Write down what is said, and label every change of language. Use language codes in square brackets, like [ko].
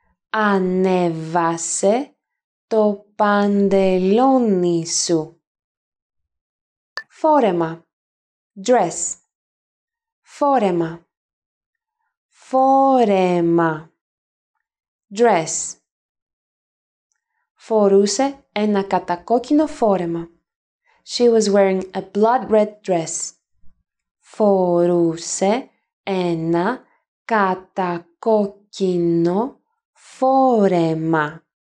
[el] Ανέβασε το παντελόνι σου. Φόρεμα. Dress. Φόρεμα. Φόρεμα. Dress. Φορούσε ένα κατακόκκινο φόρεμα. [en] She was wearing a blood red dress. [el] Φορούσε ένα κατακόκκινο φόρεμα.